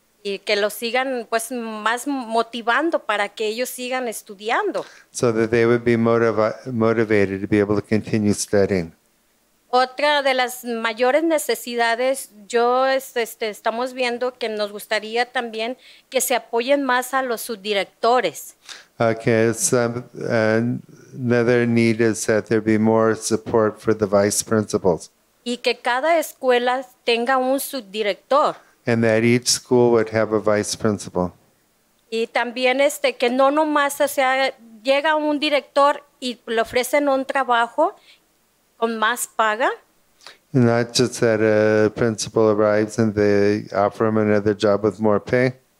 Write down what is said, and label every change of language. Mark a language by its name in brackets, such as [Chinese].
[Spanish] Y que lo sigan, pues, más motivando para que ellos sigan estudiando. [English] So that they would be motivated to be able to continue studying. [Spanish] Otra de las mayores necesidades, estamos viendo que nos gustaría también que se apoyen más a los subdirectores. [English] Okay, another need is that there be more support for the vice principals. [Spanish] Y que cada escuela tenga un subdirector. [English] And that each school would have a vice principal. [Spanish] Y también que no nomás sea, llega un director y le ofrecen un trabajo con más paga. [English] Not just that a principal arrives and they offer him another job with more pay.